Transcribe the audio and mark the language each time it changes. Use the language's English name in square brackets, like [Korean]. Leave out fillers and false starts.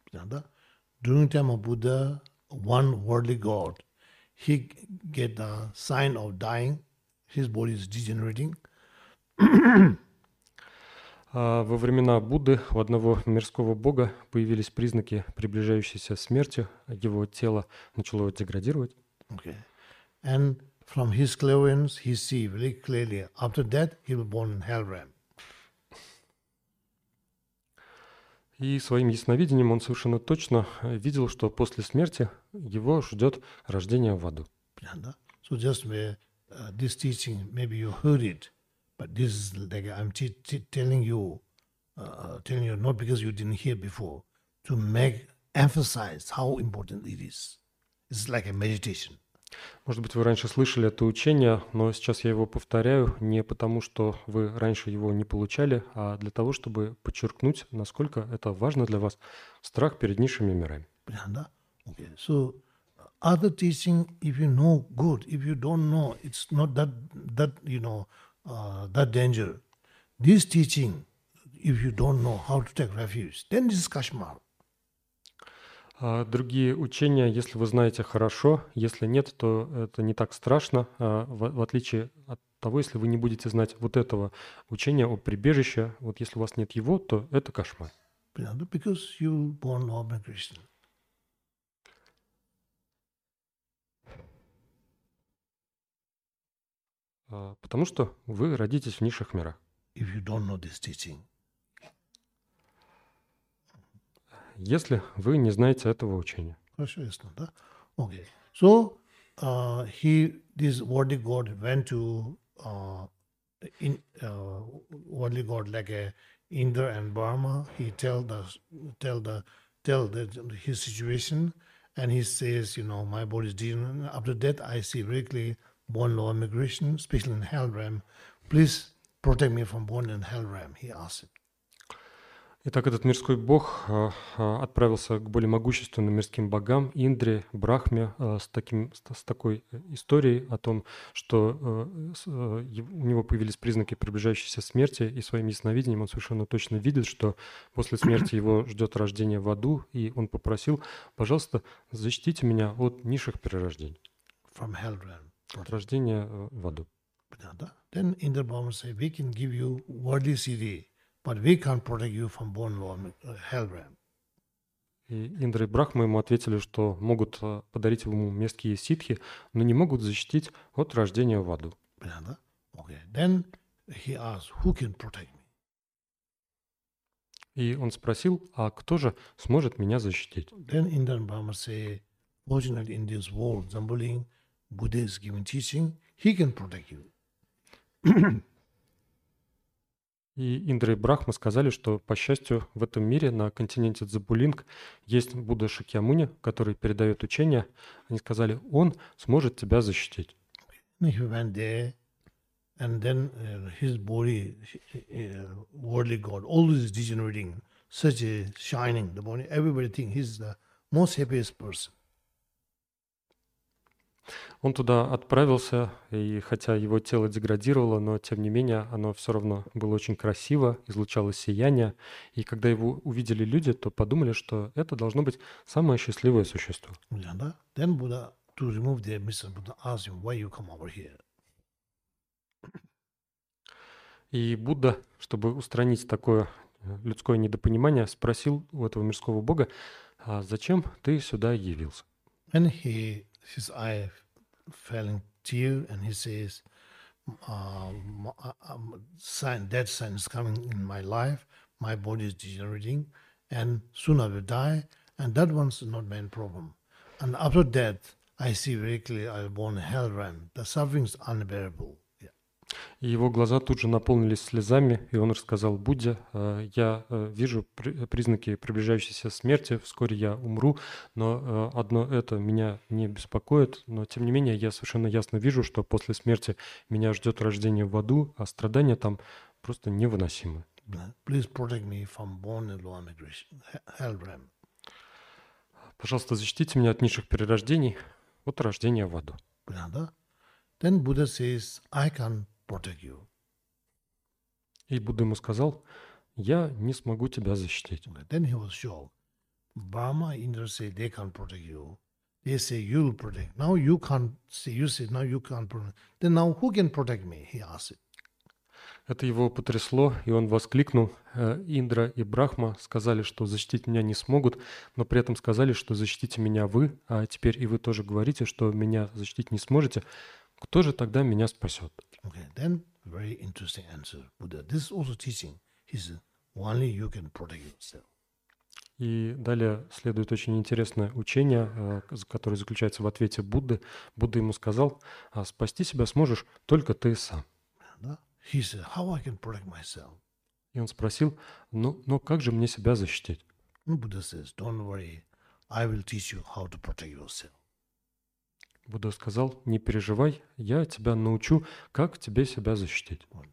[English] Yeah, [Russian] да? [English] During time of Buddha, one worldly god, he get the sign of dying, his body is degenerating. [Russian] Во времена Будды у одного мирского бога появились признаки приближающейся смерти, его тело начало деградировать. [English] Okay. And from his clairvoyance, he see very clearly, after that he was born in hell realm. [Russian] И своим ясновидением он совершенно точно видел, что после смерти его ждет рождение в аду. [English] So just this teaching, maybe you heard it. But this is like I'm telling you not because you didn't hear before, to make emphasize how important it is. It's like a meditation. [Russian] Может быть, вы раньше слышали это учение, но сейчас я его повторяю не потому, что вы раньше его не получали, а для того, чтобы подчеркнуть, насколько это важно для вас страх перед низшими мирами. Да. [English] Okay. So other teaching, if you know, good. If you don't know, it's not that danger. This teaching, if you don't know how to take refuge, then this is [Russian] кошмар. Другие учения, если вы знаете хорошо, если нет, то это не так страшно, в отличие от того, если вы не будете знать вот этого учения о прибежище, вот если у вас нет его, то это кошмар. [English] Because you were born low migration. [Russian] Потому что вы родитесь в низших мирах. [English] If you don't know this teaching. [Russian] Если вы не знаете этого учения. Хорошо, ясно, да? [English] Okay. So, he, this worldly god, went to worldly god like Indra and Brahma. He tell the his situation, and he says, you know, my body is dying. After death, I see really born low migration, especially in hell realm. Please protect me from born in hell realm. He asked. [Russian] Итак, этот мирской бог отправился к более могущественным мирским богам, Индре, Брахме, с такой историей о том, что у него появились признаки приближающейся смерти, и своим ясновидением он совершенно точно видит, что после смерти его ждет рождение в аду, и он попросил, пожалуйста, защитите меня от низших перерождений. [English] From hell realm. [Russian] От рождения в аду. [English] Then Indra Brahma said, we can give you worldly city. But we can't protect you from born low hell realm. [Russian] И Индра и Брахма ему ответили, что могут подарить ему мирские ситхи, но не могут защитить от рождения в аду. [English] Okay. Then he asked, who can protect me? [Russian] И он спросил, а кто же сможет меня защитить? [English] Then Indra Brahma said, fortunately in this world, Zambuling, Buddha is giving teaching, he can protect you. [Russian] И Индра и Брахма сказали, что, по счастью, в этом мире, на континенте Дзабулинг, есть Будда Шакьямуни, который передает учение. Они сказали, он сможет тебя защитить. [English] He went there, and then his body, worldly god, always degenerating, such a shining, the body, everybody think he's the most happiest person. [Russian] Он туда отправился, и хотя его тело деградировало, но тем не менее оно все равно было очень красиво, излучало сияние. И когда его увидели люди, то подумали, что это должно быть самое счастливое существо. [English] Then Buddha, to remove the mystery, Buddha asked him, why you come over here? [Russian] И Будда, чтобы устранить такое людское недопонимание, спросил у этого мирского бога, а зачем ты сюда явился? [English] And he... His eye fell in tear, and he says, "Death is coming in my life. My body is degenerating, and soon I will die. And that one's not my problem. And after death, I see very clearly I want hell realm. The suffering is unbearable. [Russian] И его глаза тут же наполнились слезами, и он рассказал Будде: «Я вижу признаки приближающейся смерти, вскоре я умру, но одно это меня не беспокоит, но тем не менее я совершенно ясно вижу, что после смерти меня ждет рождение в аду, а страдания там просто невыносимы». «Пожалуйста, защитите меня от низших перерождений, от рождения в аду». [English] Then Buddha says, I can protect you. [Russian] И Будда ему сказал, я не смогу тебя защитить. [English] Okay. Then he was sure. Brahma, Indra say they can protect you. They say you'll protect. Now you can't say, you say, now you can't protect. Then now who can protect me? He asked. [Russian] Это его потрясло, и он воскликнул. Индра и Брахма сказали, что защитить меня не смогут, но при этом сказали, что защитите меня вы, а теперь и вы тоже говорите, что меня защитить не сможете. Кто же тогда меня спасет? [English] Okay, then very interesting answer, Buddha. This also teaching. He said, only you can protect yourself. [Russian] И далее следует очень интересное учение, которое заключается в ответе Будды. Будда ему сказал, спасти себя сможешь только ты сам. [English] He said, how I can protect myself? [Russian] И он спросил, но как же мне себя защитить? [English] Buddha says, don't worry, I will teach you how to protect yourself. [Russian] Будда сказал, не переживай, я тебя научу, как тебе себя защитить.